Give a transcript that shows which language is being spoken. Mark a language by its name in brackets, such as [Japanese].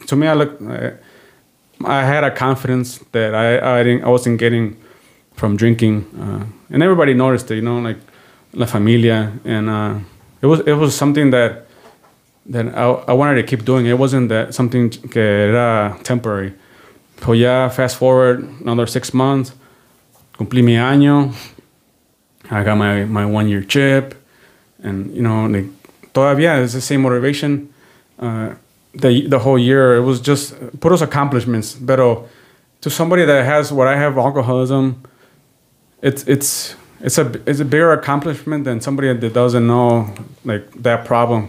[English] To me, I had a confidence that I wasn't getting from drinking, and everybody noticed it. You know, like [Spanish] la familia, [English] and it was something that I wanted to keep doing. It wasn't that something [Spanish] que era [English] temporary. So yeah, fast forward another 6 months, [Spanish] cumplí mi año. [English] I got my 1 year chip, and you know, like, todavía it's the same motivation. The whole year, it was just puros accomplishments. But to somebody that has what I have, alcoholism, it's a bigger accomplishment than somebody that doesn't know like that problem.